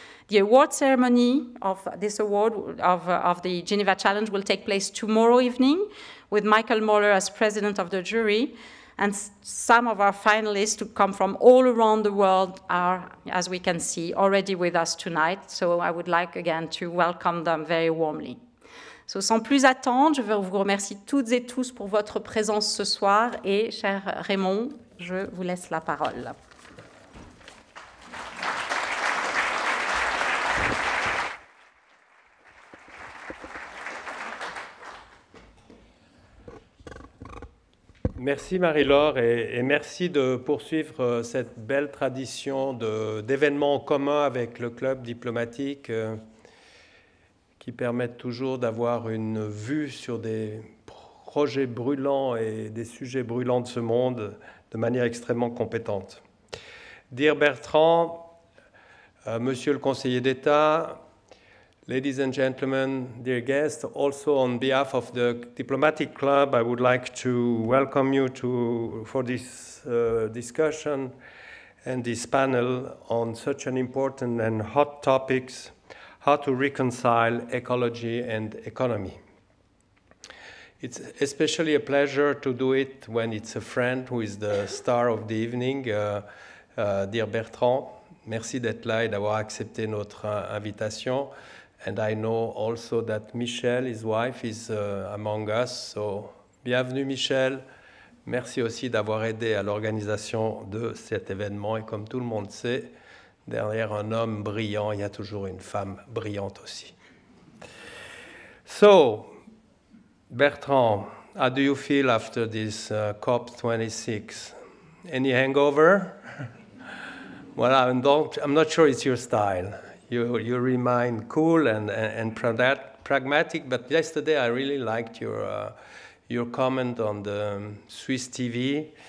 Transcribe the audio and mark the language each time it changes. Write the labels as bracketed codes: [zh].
[en] The award ceremony of this award of the Geneva Challenge will take place tomorrow evening with Michael Moller as president of the jury. And some of our finalists who come from all around the world are, as we can see, already with us tonight. So I would like again to welcome them very warmly. [fr] So sans plus attendre, je vous remercie toutes et tous pour votre présence ce soir. Et cher Raymond, je vous laisse la parole. Merci Marie-Laure et merci de poursuivre cette belle tradition d'événements en commun avec le club diplomatique qui permettent toujours d'avoir une vue sur des projets brûlants et des sujets brûlants de ce monde de manière extrêmement compétente. [en] Dear Bertrand, [fr] Monsieur le Conseiller d'État, [en] ladies and gentlemen, dear guests, also on behalf of the Diplomatic Club, I would like to welcome you for this discussion and this panel on such an important and hot topics, how to reconcile ecology and economy. It's especially a pleasure to do it when it's a friend who is the star of the evening, dear Bertrand. [fr] Merci d'être là et d'avoir accepté notre invitation. [en] And I know also that Michel, his wife, is among us. [fr] So, bienvenue Michel. Merci aussi d'avoir aidé à l'organisation de cet événement. Et comme tout le monde sait, derrière un homme brillant, il y a toujours une femme brillante aussi. [en] So, Bertrand, how do you feel after this COP26? Any hangover? Well, I'm not sure it's your style. You remain cool and pragmatic, but yesterday I really liked your comment on the Swiss TV.